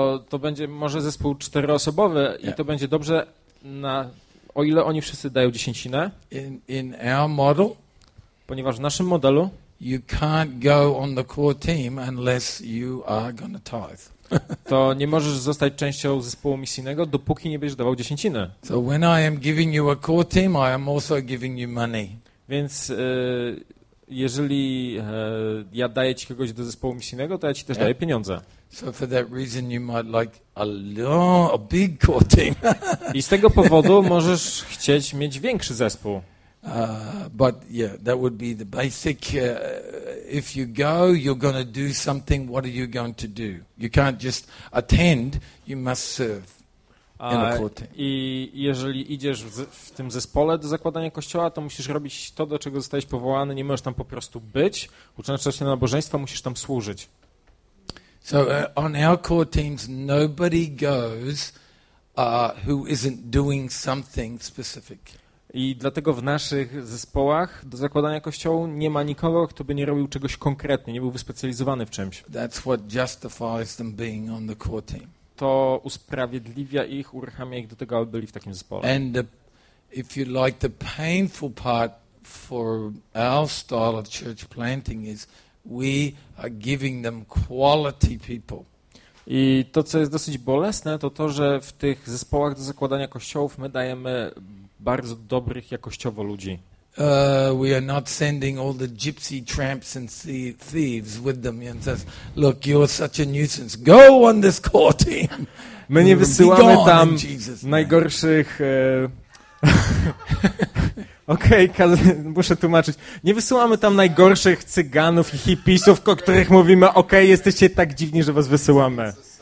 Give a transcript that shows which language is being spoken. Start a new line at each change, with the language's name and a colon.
Polish: To będzie może zespół 4-osobowy i to będzie dobrze na o ile oni wszyscy dają dziesięcinę.
English: In our model,
Polish: ponieważ w naszym modelu
English: you can't go on the core team unless you are going to tithe.
Polish: To nie możesz zostać częścią zespołu misyjnego, dopóki nie będziesz dawał dziesięciny.
English: So when I am giving you a core team, I am also giving you money.
Polish: Więc jeżeli ja daję ci kogoś do zespołu misyjnego, to ja ci też daję pieniądze.
English: So for that reason you might like a big core team.
Polish: I z tego powodu możesz chcieć mieć większy zespół.
English: But yeah, that would be the basic. If you go, you're going to do something. What are you going to do? You can't just attend. You must serve.
Polish: I jeżeli idziesz w tym zespole do zakładania kościoła, to musisz robić to, do czego zostałeś powołany. Nie możesz tam po prostu być. Uczęszczasz się na nabożeństwo, musisz tam służyć.
English: So on our core teams, nobody goes who isn't doing something specific.
Polish: I dlatego w naszych zespołach do zakładania kościołu nie ma nikogo, kto by nie robił czegoś konkretnie, nie był wyspecjalizowany w czymś.
English: That's what justifies them being on the core team.
Polish: To usprawiedliwia ich, uruchamia ich do tego, aby byli w takim zespole.
English: And if you like, the painful part for our style of church planting is We are giving them quality people.
Polish: I to, co jest dosyć bolesne, to to, że w tych zespołach do zakładania kościołów my dajemy bardzo dobrych jakościowo ludzi.
English: We are not sending all the gypsy tramps and thieves with them and says, look, you're such a nuisance. Go on this core team.
Polish: My nie wysyłamy tam najgorszych... Okej, okay, muszę tłumaczyć. Nie wysyłamy tam najgorszych cyganów i hippisów, o których mówimy, okej, okay, jesteście tak dziwni, że was wysyłamy.